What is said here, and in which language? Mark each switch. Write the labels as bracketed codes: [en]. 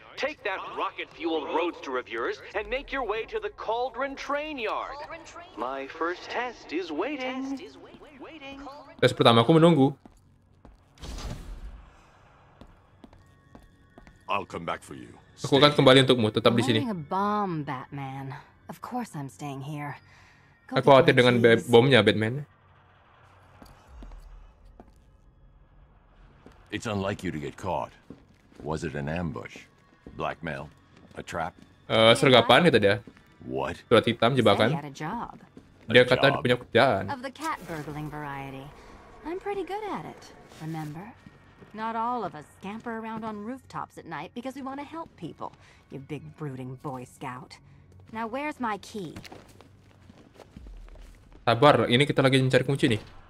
[en] Take that rocket fuel roadster of yours and make your way to the Cauldron train yard. My first test is waiting. [id] Tes pertama aku menunggu. [en] I'll come back for you. [id] Aku akan kembali untukmu, tetap di sini. [en] Bomb, Batman. Of course I'm staying here. [id] Aku khawatir dengan bomnya, Batman. [en] It's unlike you to get caught. Was it an ambush? Blackmail? A trap? [id] Sergapan gitu dia. [en] What? [id] Surat hitam jebakan. Dia kata dia punya kerjaan. [en] Of the cat burgling variety. I'm pretty good at it. Remember? Not all of us scamper around on rooftops at night because we want to help people, you big brooding boy scout. Now where's my key? [id] Sabar, ini kita lagi mencari kunci nih.